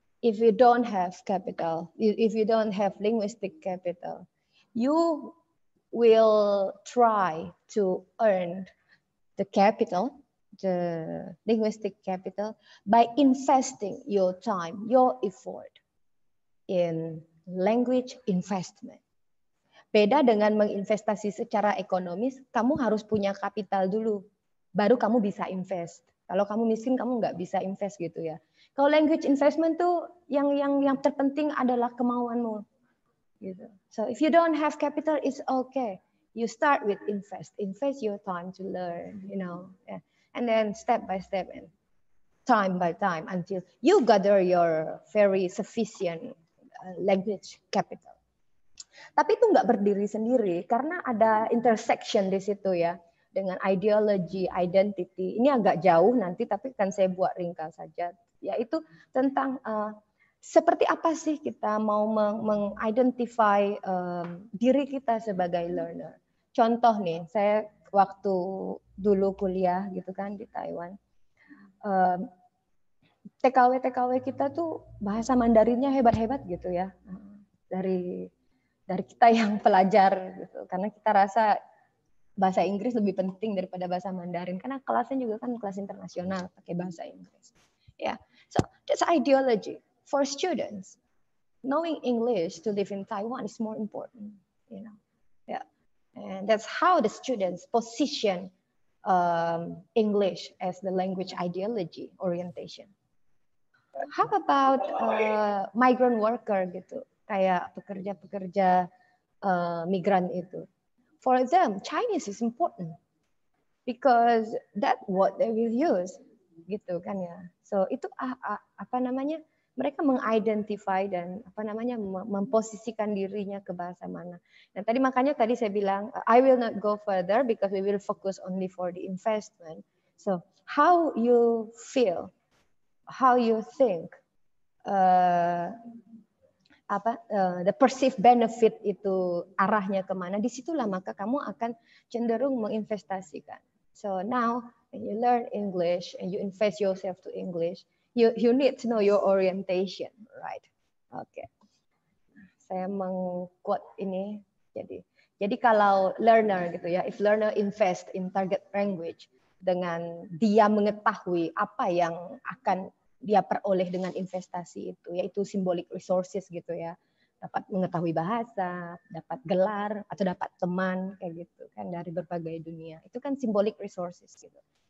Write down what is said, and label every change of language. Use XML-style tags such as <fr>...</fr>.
<en>If you don't have capital, if you don't have linguistic capital, you will try to earn the capital, the linguistic capital, by investing your time, your effort in language investment.</en> <id>Beda dengan menginvestasi secara ekonomis, kamu harus punya kapital dulu, baru kamu bisa invest. Kalau kamu miskin, kamu nggak bisa invest gitu ya. Kalau language investment tuh yang terpenting adalah kemauanmu. Gitu.</id> <en>So if you don't have capital, it's okay. You start with invest. Invest your time to learn, you know. Yeah. And then step by step and time by time until you gather your very sufficient language capital.</en> <id>Tapi itu nggak berdiri sendiri karena ada intersection di situ ya. Dengan ideology, identity. Ini agak jauh nanti, tapi kan saya buat ringkas saja. Yaitu tentang seperti apa sih kita mau mengidentify diri kita sebagai learner. Contoh nih, saya waktu dulu kuliah gitu kan di Taiwan. TKW-TKW kita tuh bahasa Mandarinnya hebat-hebat gitu ya. Dari kita yang pelajar gitu. Karena kita rasa bahasa Inggris lebih penting daripada bahasa Mandarin karena kelasnya juga kan kelas internasional pakai bahasa Inggris.</id> <en>Yeah. So, that's ideology for students. Knowing English to live in Taiwan is more important, you know. Yeah. And that's how the students position English as the language ideology orientation. How about migrant worker gitu?</en> <id>Kayak pekerja-pekerja migran itu.</id> <en>For them, Chinese is important because that what they will use,</en> <id>gitu kan ya. So itu apa namanya? Mereka mengidentify dan apa namanya memposisikan dirinya ke bahasa mana. Nah tadi makanya tadi saya bilang</id> <en>I will not go further because we will focus only for the investment. So how you feel, how you think, the perceived benefit</en> <id>itu arahnya kemana, disitulah maka kamu akan cenderung menginvestasikan.</id> <en>So now when you learn English and you invest yourself to English, you need to know your orientation, right?</en> <id>Okay. Saya meng-quote ini. Jadi kalau learner gitu ya,</id> <en>if learner invest in target language</en> <id>dengan dia mengetahui apa yang akan dia peroleh dengan investasi itu, yaitu symbolic resources gitu ya, dapat mengetahui bahasa, dapat gelar atau dapat teman kayak gitu kan dari berbagai dunia, itu kan symbolic resources gitu.</id>